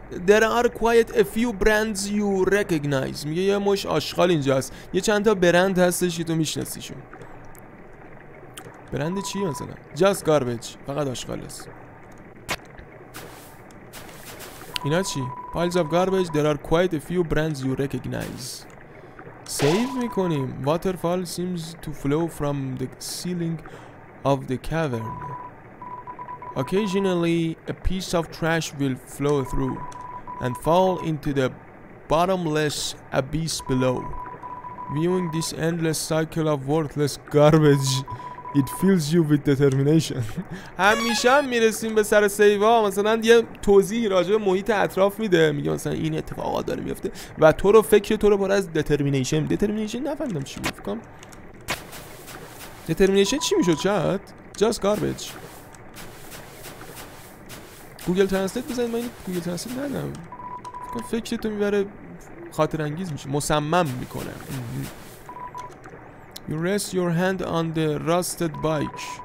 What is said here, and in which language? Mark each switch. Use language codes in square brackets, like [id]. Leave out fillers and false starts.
[en] There are quite a few brands you recognize. [fa] میگه یه مش آشغال اینجا هست. یه چند تا برند هستش که تو میشناسیشون. برند چی مثلا؟ [en] Just garbage. [fa] فقط آشغال است. اینا چی؟ [en] Piles of garbage. There are quite a few brands you recognize. [fa] سیو میکنیم. [en] Waterfall seems to flow from the ceiling of the cavern. Occasionally a piece of trash will flow through and fall into the bottomless abyss below. Viewing this endless cycle of worthless garbage, it fills you with determination. [fa] همیشه هم میرسیم به سر سیوا، مثلا یه توضیح راجع به محیط اطراف میده، میگه مثلا این اتفاقات داره میفته و تو رو فکر تو رو پر از determination. determination نفهمیدم چی بود. Determination چی میشد چت؟ [en] Just garbage. [fa] گوگل ترنسلیت بزنید، من گوگل ترنسلیت ندارم. فکرتو میبره خاطر انگیز میشه، مصمم میکنه. [en] You rest your hand on the rusted bike.